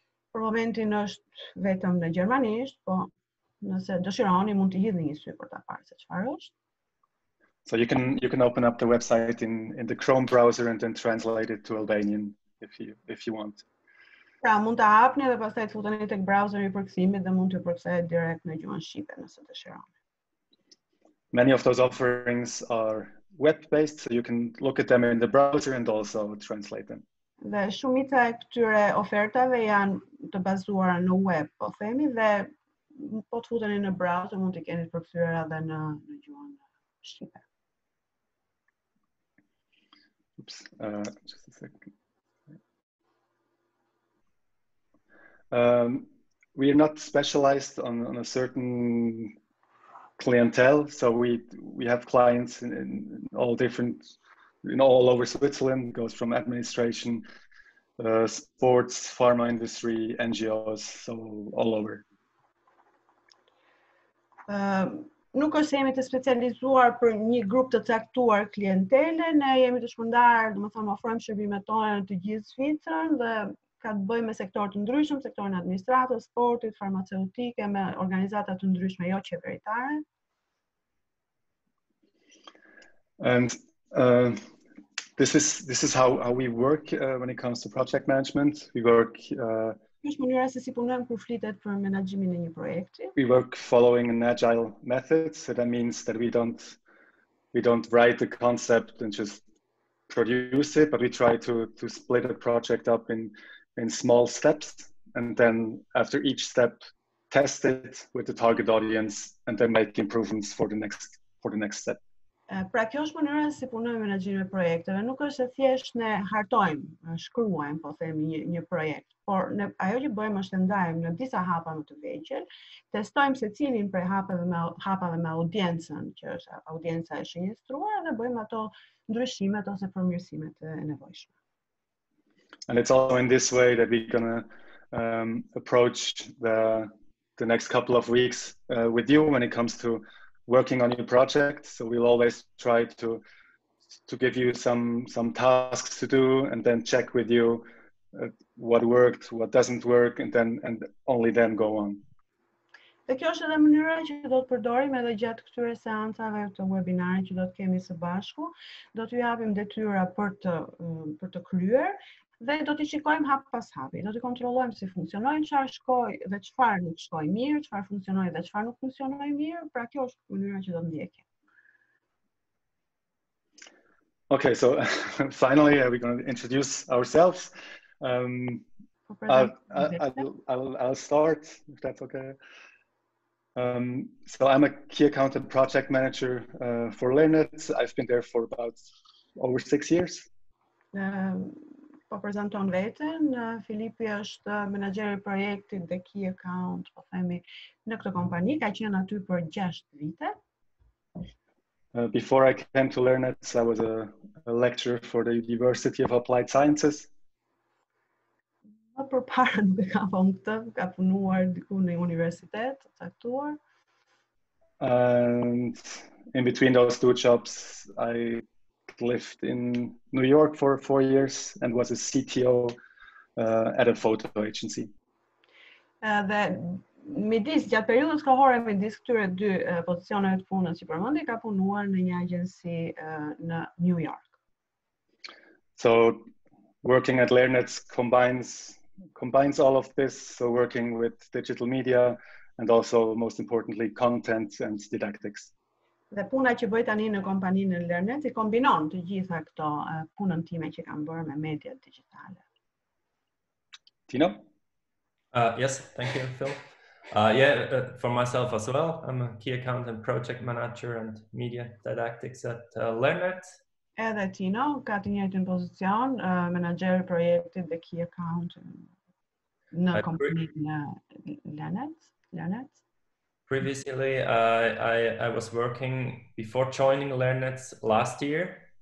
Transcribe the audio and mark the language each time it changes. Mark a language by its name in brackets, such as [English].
[Albanian] Për momentin është vetëm në gjermanisht, po nëse dëshironi mund të hidhni një sy për ta parë se çfarë është. [English] So you can open up the website in the Chrome browser and then translate it to Albanian if you want. [Albanian] Pra mund ta hapni dhe pastaj të futeni tek browseri i përkthimit dhe mund të përkthehet direkt në gjuhën shqipe nëse dëshironi. [English] Many of those offerings are web-based, so you can look at them in the browser and also translate them. [Albanian] Dhe shumica e këtyre ofertave janë të bazuara në web, po themi, dhe po të futeni në brau të mund të keni të përkthyer edhe në në gjuhën shqipe. [English] Oops, just a second. We are not specialized on a certain clientele, so we have clients in all different, you know, all over Switzerland. Goes from administration, sports, pharma industry, NGOs, so all over. [Albanian] Nuk është se jemi të specializuar për një grup të caktuar klientele, ne jemi të shpëndarë, do të thonë, ofrojmë shërbimet tona në të gjithë Shqipërinë dhe ka të bëjë me sektorë të ndryshëm, sektorin administratës, sportit, farmaceutike, me organizata të ndryshme jo qeveritare. [English] And this is how we work when it comes to project management. We work We work following an agile method, so that means that we don't write the concept and just produce it, but we try to split a project up in small steps, and then after each step, test it with the target audience, and then make improvements for the next step. [Albanian] Pra kjo është mënyra si punojmë me menaxhimin e projekteve. Nuk është se thjesht ne hartojmë, shkruajmë, po themi një projekt, por ne ajo që bëjmë është ndajmë në disa hapa më të vegjël, testojmë se cilin prej hapave me audiencën, që është audienca e shënjestruar, dhe bëjmë ato ndryshimet ose përmirësimet e nevojshme. [English] And it's also in this way that we're going to approach the next couple of weeks with you when it comes to working on your project, so we'll always try to give you some tasks to do, and then check with you what worked, what doesn't work, and only then go on. [Albanian] Dhe kjo është edhe mënyra që do të përdorim edhe gjatë këtyre seancave të webinarit që do të kemi së bashku. Do t'ju japim detyra për të kryer dhe do t'i shikojmë hap pas hapi. Do t'i kontrollojmë si funksionojnë, çfarë shkoi dhe çfarë nuk shkoi mirë, çfarë funksionoi dhe çfarë nuk funksionoi mirë. Pra kjo është mënyra që do ndjekim. [English] Okay, so finally we're going to introduce ourselves. I'll start if that's okay. So I'm a key account and project manager for Learnet. I've been there for about over 6 years. [Albanian] Po prezanton veten, Filipi është menaxher i projektit dhe key account, po themi, në këtë kompani, ka qenë aty për 6 vite. [English] Before I came to Learnet, I was a lecturer for the University of Applied Sciences. [Albanian] Më përpara nuk e kam vënë këtë, ka punuar diku në universitet të caktuar. [English] And in between those two jobs, I lived in New York for 4 years and was a CTO at a photo agency. [Albanian] Dhe midis gjatë periudhës kohore midis këtyre dy pozicioneve të punës që përmendi, ka punuar në një agjenci në New York. [English] So working at Learnet combines all of this, so working with digital media and also most importantly content and didactics. [Albanian] Dhe puna që bëj tani në kompaninë Learnet i kombinon të gjitha këto punën time që kam bërë me media digjitale. [English] Tino? Yes, thank you Phil. For myself as well, I'm a key account and project manager and media didactics at Learnet. [Albanian] Edhe Tino ka të njëjtën pozicion, menaxher i projektit dhe key account në kompaninë Learnet. [English] Previously, I was working before joining Learnet last year.